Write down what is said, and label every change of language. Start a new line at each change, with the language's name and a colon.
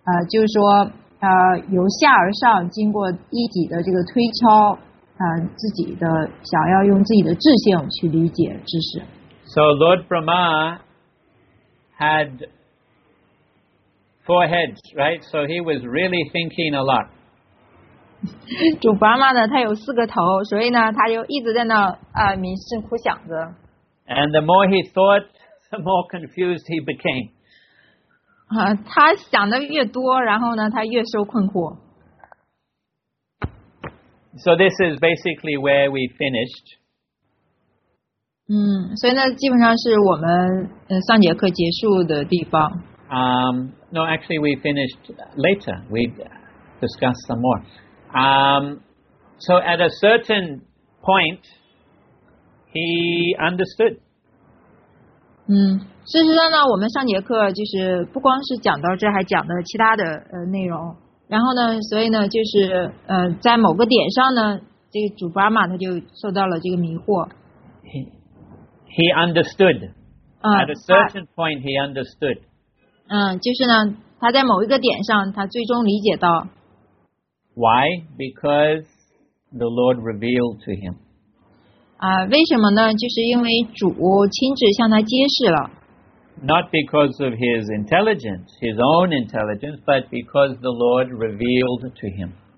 Chinese: 就是说，由下而上，经过一己的这个推敲，自己的想要用自己的智性去理解知识。So
English: Lord Brahma had four heads, right? So he was really thinking a lot.
Chinese: 主巴玛呢，他有四个头，所以呢，他就一直在那冥思苦想着。And
English: the more he thought, the more confused he became.
Chinese: 他想的越多，然后呢，他越受困惑。So
English: this is basically where we finished.
Chinese: 所以呢，基本上是我们上节课结束的地方。
English: No, actually, we finished later. We discussed some more. So at a certain point, he understood.
Chinese: 事实上呢，我们上节课就是不光是讲到这，还讲了其他的内容。然后呢，所以呢，就是在某个点上呢，这个主巴玛他就受到了这个迷惑。
English: He understood. At a certain point, he understood.
Chinese: 就是呢，他在某一个点上，他最终理解到。
English: Why? Because the Lord revealed to him.
Chinese: 为什么呢？就是因为主亲自向他揭示了。
English: Not because of his intelligence, his own intelligence, but because the Lord revealed to him.